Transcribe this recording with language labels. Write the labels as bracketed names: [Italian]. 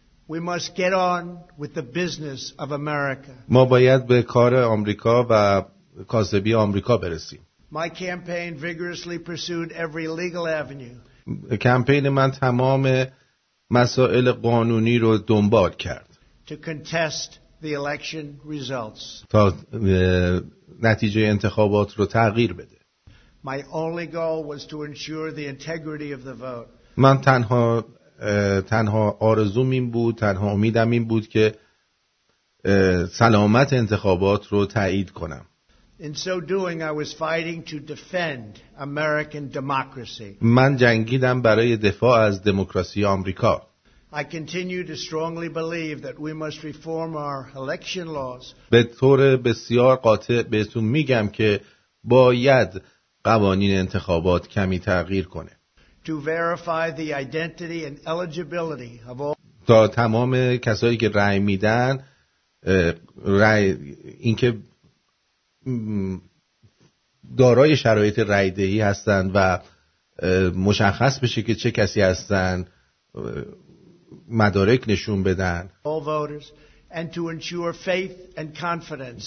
[English] We must get on with the business of America. [Persian] ما باید به کار آمریکا و کاذبی آمریکا برسیم. [English] My campaign vigorously pursued every legal avenue. [Persian] کمپین من تمام مسائل قانونی رو دنبال کرد. [English] To contest the election results. [Persian] تا نتیجه انتخابات رو تغییر بده. [English] My only goal was to ensure the integrity of the vote. [Persian] من تنها آرزوم این بود، تنها امیدم این بود که سلامت انتخابات رو تایید کنم. [English] In so doing, I was fighting to defend American democracy. [Persian] من جنگیدم برای دفاع از دموکراسی آمریکا. [English] I continue to strongly believe that we must reform our election laws. [Persian] به طور بسیار قاطع بهتون میگم که باید قوانین انتخابات کمی تغییر کنه. [English] To verify the identity and eligibility of all... [Persian] تا تمام کسایی که رأی میدن رأی اینکه دارای شرایط رأی‌دهی هستن و مشخص بشه که چه کسی هستن مدارک نشون بدن. [English] All voters and to ensure faith and confidence.